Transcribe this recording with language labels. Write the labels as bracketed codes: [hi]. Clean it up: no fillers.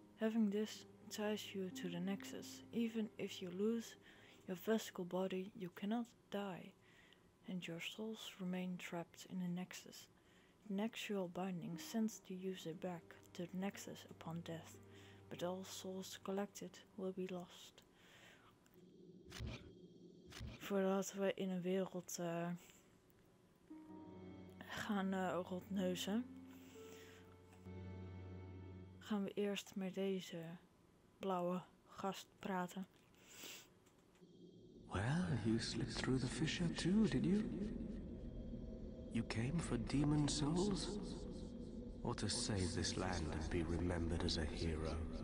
[en] Having this ties you to the Nexus. Even if you lose your physical body, you cannot die, and your souls remain trapped in the Nexus. Nexual binding sends the user back to the Nexus upon death, but all souls collected will be lost. [nl] Voordat we in een wereld gaan rotneuzen, gaan we eerst met deze blauwe gast praten. [en] Well, you slipped through the fissure too, did you? You came for demon souls? Or to save this land and be remembered as a hero?